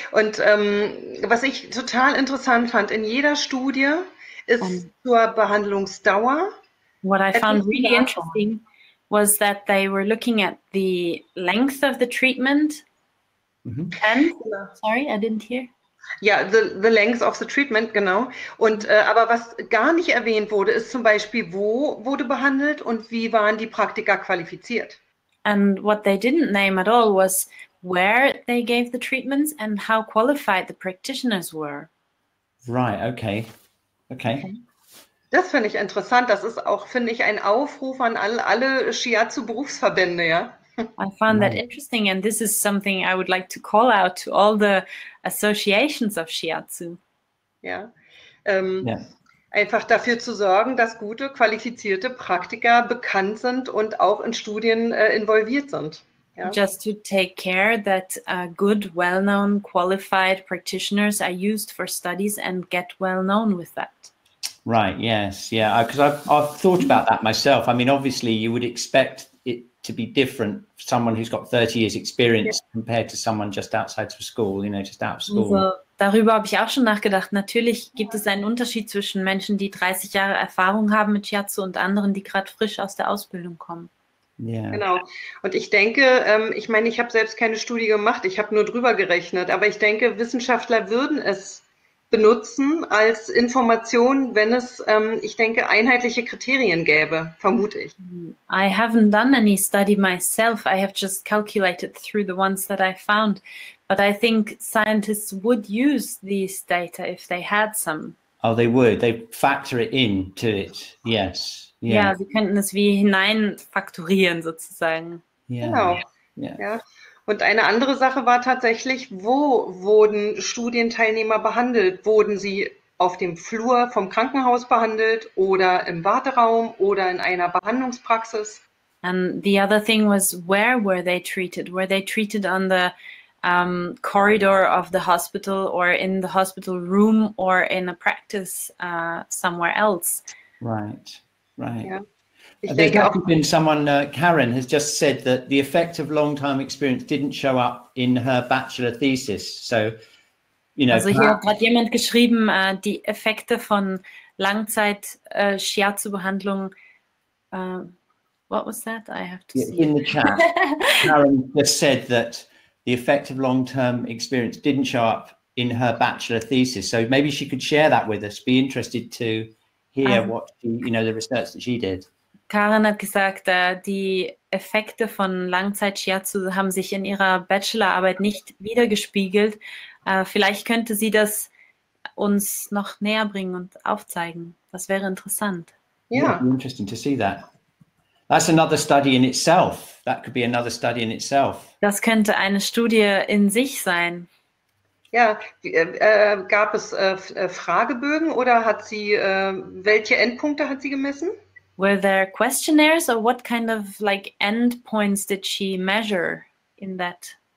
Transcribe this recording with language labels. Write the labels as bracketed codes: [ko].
[de] Und was ich total interessant fand, in jeder Studie ist zur Behandlungsdauer. [en] What I found really interesting was that they were looking at the length of the treatment. Mm-hmm. And sorry, I didn't hear. Ja, the length of the treatment, genau. [de] Und aber was gar nicht erwähnt wurde, ist zum Beispiel, wo wurde behandelt und wie waren die Praktiker qualifiziert? [en] And what they didn't name at all was where they gave the treatments and how qualified the practitioners were. Right, okay. [de] Das finde ich interessant. Das ist auch, finde ich, ein Aufruf an alle Shiatsu-Berufsverbände, ja. [en] I found that interesting, and this is something I would like to call out to all the associations of Shiatsu. [de] Einfach dafür zu sorgen, dass gute, qualifizierte Praktiker bekannt sind und auch in Studien involviert sind. [en] Yeah. Just to take care that good, well-known, qualified practitioners are used for studies and get well-known with that. Right, yes. Yeah, because I've thought about that myself. I mean, obviously, you would expect it to be different, someone who's got 30 years experience compared to someone just outside of school, you know, just out of school. [de] Also, darüber habe ich auch schon nachgedacht. Natürlich gibt es einen Unterschied zwischen Menschen, die 30 Jahre Erfahrung haben mit Shiatsu und anderen, die gerade frisch aus der Ausbildung kommen. Yeah. Genau. Und ich denke, ich meine, ich habe selbst keine Studie gemacht, ich habe nur drüber gerechnet, aber ich denke, Wissenschaftler würden es benutzen als Information, wenn es, ich denke, einheitliche Kriterien gäbe, vermute ich. [en] I haven't done any study myself. I have just calculated through the ones that I found. But I think scientists would use these data if they had some. Oh, they would. They factor it in to it. Yes. [de] Ja, sie könnten es wie hineinfaktorieren, sozusagen. Genau. Und eine andere Sache war tatsächlich, wo wurden Studienteilnehmer behandelt? Wurden sie auf dem Flur vom Krankenhaus behandelt oder im Warteraum oder in einer Behandlungspraxis? [en] And the other thing was, where were they treated? Were they treated on the corridor of the hospital or in the hospital room or in a practice somewhere else? Right. Yeah. There's actually been someone, Karen, has just said that the effect of long-time experience didn't show up in her bachelor thesis. So, you know. [de] Also hier hat jemand geschrieben, die Effekte von Langzeit Shiatsu-Behandlung. [en] What was that? I have to see. In the chat, Karen just said that the effect of long-term experience didn't show up in her bachelor thesis. So maybe she could share that with us. Be interested to hear what she, you know, the research that she did. [de] Karen hat gesagt, die Effekte von Langzeit-Shiatsu haben sich in ihrer Bachelorarbeit nicht wiedergespiegelt. Vielleicht könnte sie das uns noch näher bringen und aufzeigen. Das wäre interessant. [en] Ja. Yeah, interesting to see that. That's another study in itself. That could be another study in itself. [de] Das könnte eine Studie in sich sein. Ja, gab es Fragebögen oder hat sie, welche Endpunkte hat sie gemessen? [en] Were there questionnaires or what kind of like end points did she measure in that?